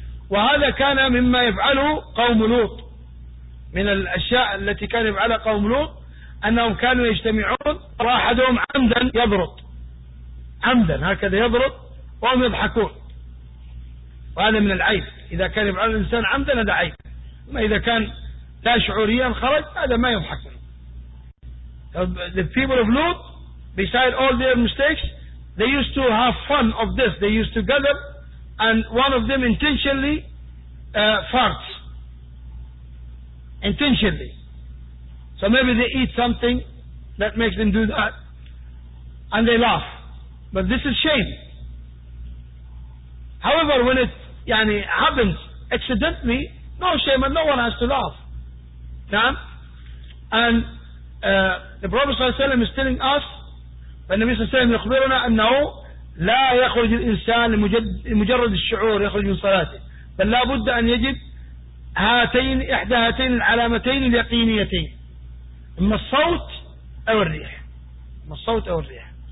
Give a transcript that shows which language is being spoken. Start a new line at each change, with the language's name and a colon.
Arabic: وهذا كان مما يفعله قوم لوط. من الأشياء التي كان يفعلها قوم لوط أنهم كانوا يجتمعون أحدهم عمدا يضرب عمدا هكذا يضرب وهم يضحكون. وهذا من العيب. إذا كان يفعل الإنسان عمدا هذا عيب. ما إذا كان لا شعوريا خرج هذا ما يضحك.
English: The people of Lut beside all their mistakes, they used to have fun of this. They used to gather, and one of them intentionally farts. Intentionally. So maybe they eat something that makes them do that, and they laugh. But this is shame. However, when it happens accidentally, no shame and no one has to laugh. And the Prophet ﷺ is telling us, when the Prophet ﷺ is telling us,
Arabic: أنه لا يخرج الإنسان لمجرد الشعور يخرج من صلاته. بل لا بد أن يجد هاتين إحدى هاتين العلامتين اليقينيتين. إما الصوت أو الريح. إما الصوت أو الريح.